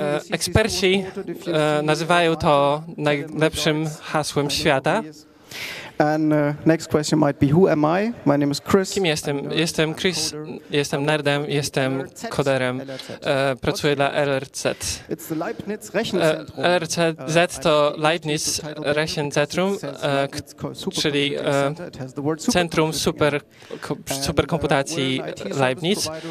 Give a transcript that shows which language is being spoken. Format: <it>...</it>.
<pl>Eksperci nazywają to najlepszym hasłem świata.</pl> <en>And next question might be, who am I? My name is Chris.</en> <pl>Kim jestem? Jestem Chris, jestem nerdem, jestem koderem, pracuję dla LRZ.</pl> <en>It's the Leibniz Rechenzentrum.</en> <pl>LRZ to Leibniz Rechenzentrum, czyli Centrum Superkomputacji Leibniz.</pl>